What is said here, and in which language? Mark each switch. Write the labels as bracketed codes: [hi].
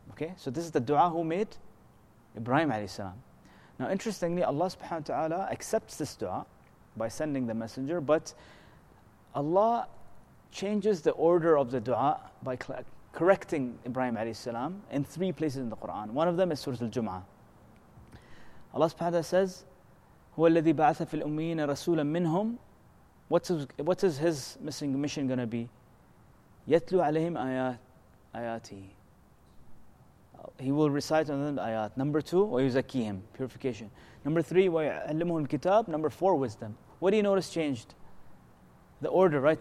[en] Okay, so this is the dua who made Ibrahim alayhi salam. Now interestingly, Allah subhanahu wa ta'ala accepts this dua by sending the messenger, but Allah changes the order of the dua by correcting Ibrahim alayhi salam in three places in the Quran. One of them is Surah Al-Jum'ah. Allah subhanahu wa ta'ala says, [ar] هو الذي بعث في الأميين رسولا منهم. [en] What is his missing mission going to be? [ar] يتلو عليهم آياتي. [en] He will recite on them the ayat. Number two, ويزكيهم, purification. Number three, [ar] ويعلمهم الكتاب. [en] Number four, wisdom. What do you notice changed? The order, right?